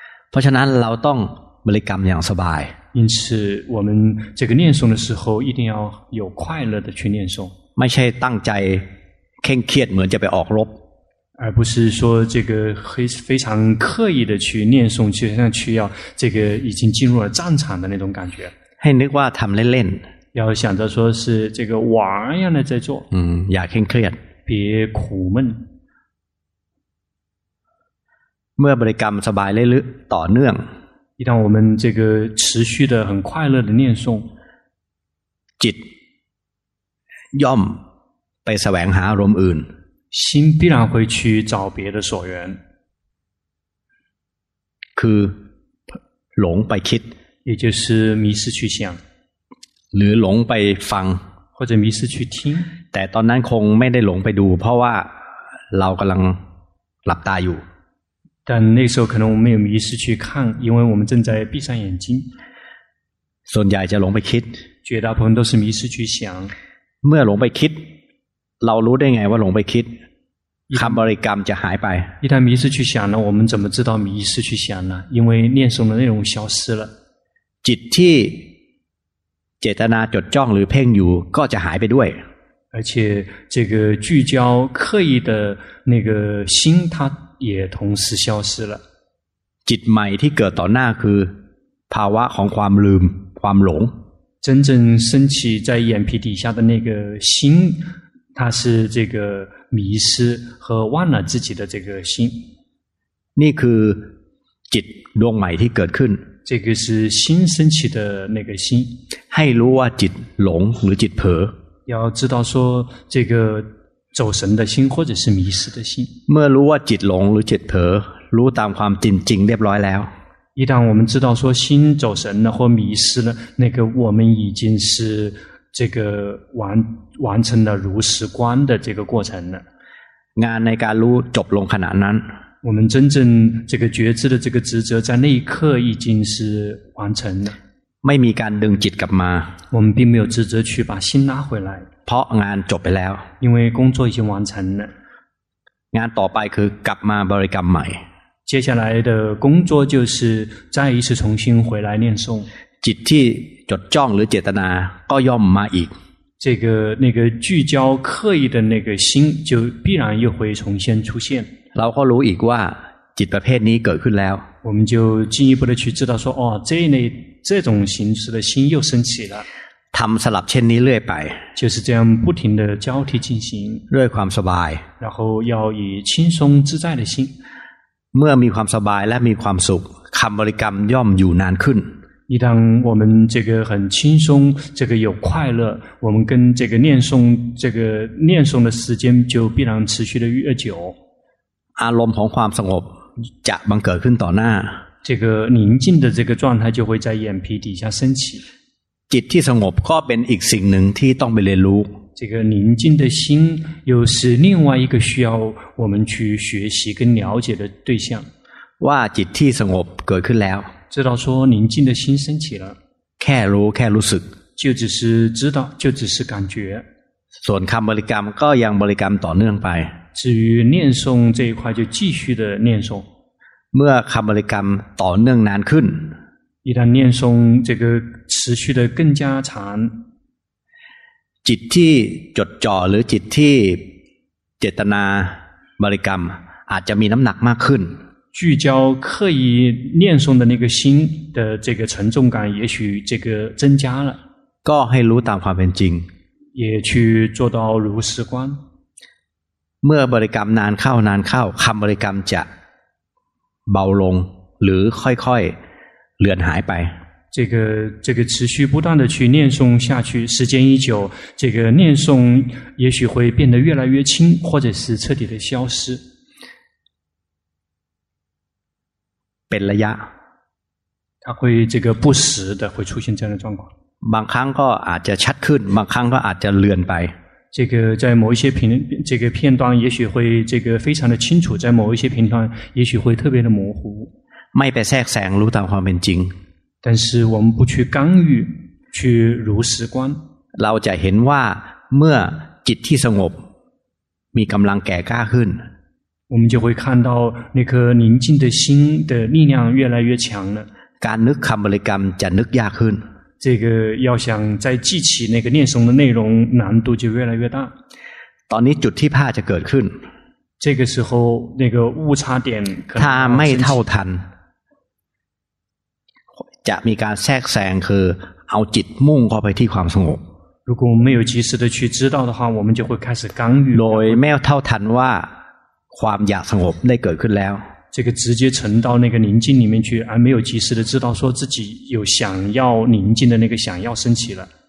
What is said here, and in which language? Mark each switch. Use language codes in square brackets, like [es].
[th] เพราะฉะนั้นเราต้องบริกรรมอย่างสบาย [zh] 因此我们这个念诵的时候一定要有快乐的去念诵 [th] ไม่ใช่ตั้งใจเคร่งเครียดเหมือนจะไปออกรบ [zh] 而不是说这个非常刻意的去念诵就像去要这个已经进入了战场的那种感觉 [th] ให้นึกว่าทำเล่น [zh] ๆ要想着说是这个玩一样的在做 [th] อย่าเคร่งเครียด [zh] 别苦闷 [th] เมื่อบริกรรมสบายเรื่อยๆต่อเนื่อง ที่ [zh] 当我们这个持续的很快乐的念诵 [th] จิตย่อมไปแสวงหาอารมณ์อื่น [zh] 心必然会去找别的所缘 [th] คือหลงไปคิด [zh] 也就是迷失去想 [th] หรือหลงไปฟัง [zh] 或者迷失去听 [th] แต่ตอนนั้นคงไม่ได้หลงไปดูเพราะว่าเรากำลังหลับตาอยู่ [zh] 但那时候可能我们没有迷失去看因为我们正在闭上眼睛 [th] ส่วนใหญ่จะหลงไปคิด [zh] 绝大部分都是迷失去想 [th] เมื่อหลงไปคิดเรารู้ได้ไงว่าหลงไปคิดคำบริกรรมจะหายไป [zh] 一旦迷失去想呢我们怎么知道迷失去想呢因为念诵的内容消失了 [th] จิตที่เจตนาจดจ้องหรือเพ่งอยู่ก็จะหายไปด้วย [zh] 而且这个聚焦刻意的那个心它也同时消失了 [th] จิตใหม่ที่เกิดต่อหน้าคือภาวะของความลืมความหลง [zh] 真正升起在眼皮底下的那个心它是这个迷失和忘了自己的这个心 [th] นี่คือจิตดวงใหม่ที่เกิดขึ้น [zh] 这个是新升起的那个心 [th] ให้รู้ว่าจิตหลงหรือจิตเผล [zh] อ要知道说这个走神的心或者是迷失的心 [th] เมื่อรู้ว่าจิตหลงหรือจิตเผลอรู้ตามความจริงเรียบร้อยแล้ว [zh] 一旦我们知道说心走神了或迷失了那个我们已经是这个完成了如实观的这个过程了 [th] งานในการรู้จบลงขณะนั้น [zh] 我们真正这个觉知的这个职责在那一刻已经是完成了 [th] ไม่มีการดึงจิตกลับมา [zh] 我们并没有职责去把心拉回来 [th] เพราะงานจบไปแล้ว [zh] 因为工作已经完成了 [th] งานต่อไปคือกลับมาบริกรรมใหม่ [zh] 接下来的工作就是再一次重新回来念诵 [th] จิตที่จดจ้องหรือเจตนาก็ย่อมมาอีก [zh] 这个那个聚焦刻意的那个心就必然又会重新出现 [th] เราก็รู้อีกว่าจิตประเภทนี้เกิดขึ้นแล้ว [zh] 我们就进一步的去知道说哦这一类这种形式的心又升起了 [th] ทำสลับเช่นนี้เรื่อยไป [zh] 就是这样不停的交替进行 [th] ด้วยความสบาย [zh] 然后要以轻松自在的心 [th] เมื่อมีความสบายและมีความสุขคำบริกรรมย่อมอยู่นานขึ้น [zh] 一旦我们这个很轻松这个有快乐我们跟这个念诵这个念诵的时间就必然持续的越久 [th] อารมณ์ของความสงบจะบังเกิดขึ้นต่อหน้า [zh] 这个宁静的这个状态就会在眼皮底下升起 [th] จิตที่สงบก็เป็นอีกสิ่งหนึ่งที่ต้องไปเรียนรู้ [zh] 这个宁静的心又是另外一个需要我们去学习跟了解的对象 [th] ว่าจิตที่สงบเกิดขึ้นแล้ว [zh] 知道说宁静的心升起了 [th] แค่รู้แค่รู้สึก [zh] 就只是知道就只是感觉 [th] ส่วนคำบริกรรมก็ยังบริกรรมต่อเนื่องไป [zh] 至于念诵这一块就继续的念诵 [th] เมื่อคำบริกรรมต่อเนื่องนานขึ้น [zh] 一旦念诵这个持续的更加长 [th] จิตที่จดจ่อหรือจิตที่เจตนาบริกรรมอาจจะมีน้ำหนักมากขึ้น [zh] 聚焦刻意念诵的那个心的这个沉重感也许这个增加了 [th] ก็ให้รู้ตามความเป็นจริง [zh] 也去做到如实观 [th] เมื่อบริกรรมนานเข้านานเข้าคำบริกรรมจะเบาลงหรือค่อยๆเลือนหายไป [zh] 这个持续不断的去念诵下去时间一久这个念诵也许会变得越来越轻或者是彻底的消失 [th] เป็นระยะ [zh] 它会这个不时的会出现这样的状况 [th] บางครั้งก็อาจจะชัดขึ้นบางครั้งก็อาจจะเลือนไป [zh] 这个在某一些这个片段也许会这个非常的清楚在某一些片段也许会特别的模糊 [th] ไม่ไปแทรกแซงรู้ตามความเป็นจริง [zh] 但是我们不去干预去如实观 [th] เราจะเห็นว่าเมื่อจิตที่สงบมีกำลังแก่กล้าขึ้น [zh] 我们就会看到那颗宁静的心的力量越来越强了 [th] การนึกคำบริกรรมจะนึกยากขึ้น [zh] 这个要想再记起那个念诵的内容难度就越来越大 [th] ตอนนี้จุดที่พลาดจะเกิดขึ้น [zh] 这个时候那个误差点可能 [th] ถ้าไม่เท่าทันจะมีการแทรกแซงคือเอาจิตมุ่งเข้าไปที่ความสงบ [zh] 如果没有及时的去知道的话我们就会开始干预 [th] โดยไม่เท่าทันว่าความอยากสงบได้เกิดขึ้นแล้ว [zh] 这个直接沉到那个宁静里面去而没有及时的知道说自己有想要宁静的那个想要升起了